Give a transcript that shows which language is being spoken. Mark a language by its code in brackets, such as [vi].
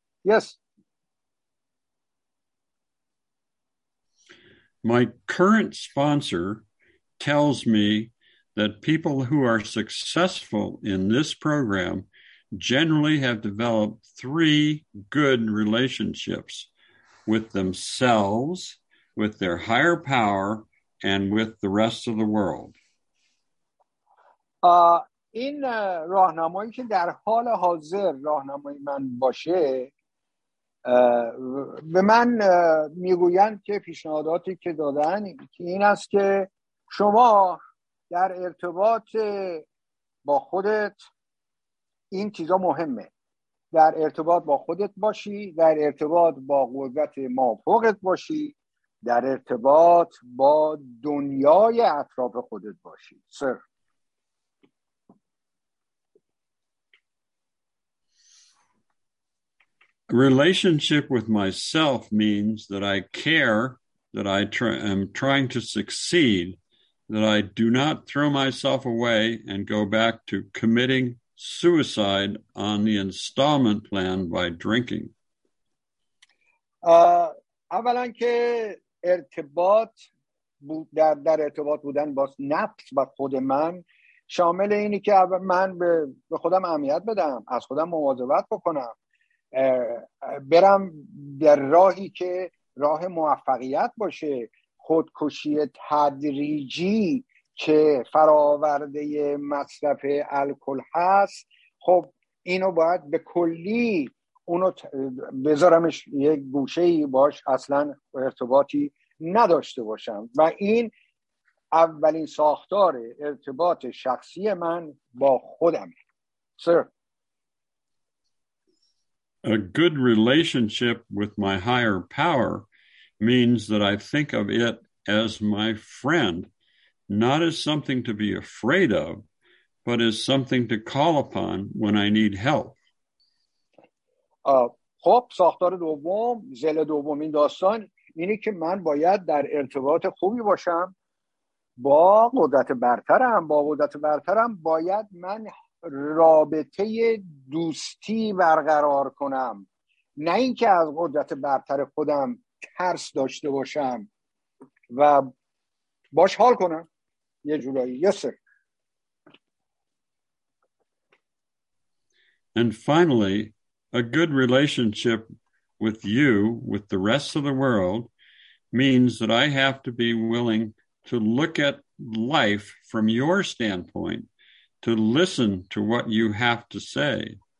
[en] Yes. My current sponsor tells me that people who are successful in this program generally have developed 3 good relationships with themselves, with their higher power, and with the rest of the world. In [fa] راهنمایی که در حال حاضر راهنمای من باشه به من میگویند که پیشنهاداتی که دادن این است که شما در ارتباط با خودت این چیزا مهمه، در ارتباط با خودت باشی، در ارتباط با قدرت مافوقت باشی، در ارتباط با دنیای اطراف خودت باشی. [en] سر Relationship with myself means that I care, that I am trying to succeed, that I do not throw myself away and go back to committing suicide on the installment plan by drinking. [fa] اولا که ارتباط در ارتباط بودن با نفس و خود من شامل اینی که من به خودم اهمیت بدم، از خودم مواظبت بکنم، برم در راهی که راه موفقیت باشه. خودکشی تدریجی که فراورده مصرف الکل هست، خب اینو باید به کلی اونو بذارمش یک گوشه‌ای باش اصلا ارتباطی نداشته باشم و این اولین ساختار ارتباط شخصی من با خودمه. [en] سر A good relationship with my higher power means that I think of it as my friend, not as something to be afraid of, but as something to call upon when I need help. [fa] خب ساختار دوم، زل دوم این داستان اینه که من باید در ارتباط خوبی باشم با قدرت برترم، با قدرت برترم باید من رابطه دوستی برقرار کنم، نه اینکه از قدرت برتر خودم ترس داشته باشم و باش حال کنم یه جورایی. [en] Yes, sir. And finally, a good relationship with you, with the rest of the world, means that I have to be willing to look at life from your standpoint, to listen to what you have to say.